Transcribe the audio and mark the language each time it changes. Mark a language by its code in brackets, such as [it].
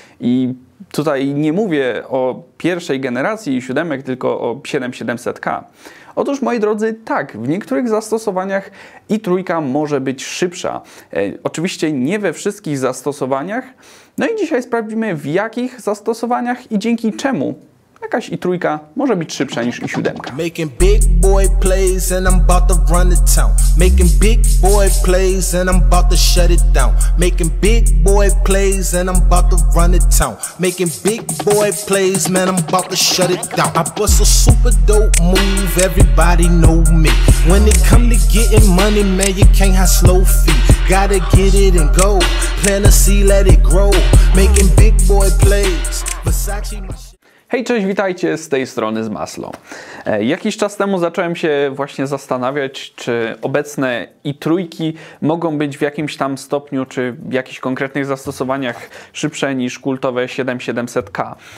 [pl] I tutaj nie mówię o pierwszej generacji siódemek, tylko o 7700K. Otóż, moi drodzy, tak, w niektórych zastosowaniach i trójka może być szybsza. Oczywiście nie we wszystkich zastosowaniach. No i dzisiaj sprawdzimy, w jakich zastosowaniach i dzięki czemu jakaś i trójka może być szybsza niż i siódemka. [en] Making big boy plays and I'm about to run the town. Making big boy plays and I'm about to shut it down. Making big boy plays and I'm about to run the town. Making big boy plays, man, I'm about to shut it down. I bust a super dope move, everybody know me. When it come to getting money, man, you can't have slow feet. Gotta get it and go, plant a seed, let it grow. Making big boy plays, Versace my shit. [pl] Hej, cześć, witajcie z tej strony z Maslo. Jakiś czas temu zacząłem się właśnie zastanawiać, czy obecne i trójki mogą być w jakimś tam stopniu, czy w jakichś konkretnych zastosowaniach szybsze niż kultowe 7700K.